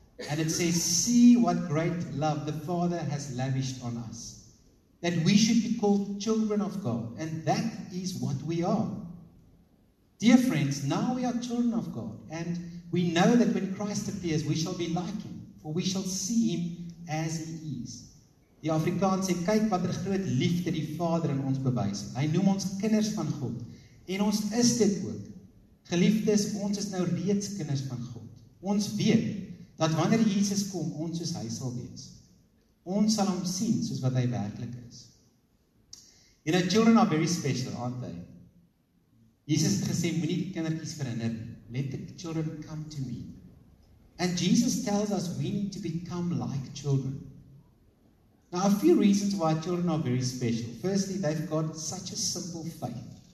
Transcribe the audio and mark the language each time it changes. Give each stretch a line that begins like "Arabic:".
English: And it says, see what great love the Father has lavished on us, that we should be called children of God. And that is what we are. Dear friends, now we are children of God. And we know that when Christ appears, we shall be like him. For we shall see him as he is.
Afrikaans: Die Afrikaans sê, kyk wat 'n groot liefde die Vader in ons bewys. Hy noem ons kinders van God. En ons is dit ook. Geliefdes, ons is nou reeds kinders van God. Ons weet dat wanneer Jesus kom, ons soos hy sal wees. Ons sal hom sien soos wat hy werklik is.
English: You know, children are very special, aren't they?
Afrikaans: Jesus het gesê, moenie die kindertjies verhinder.
English: Let the children come to me. And Jesus tells us we need to become like children. Now, a few reasons why children are very special. Firstly, they've got such a simple faith.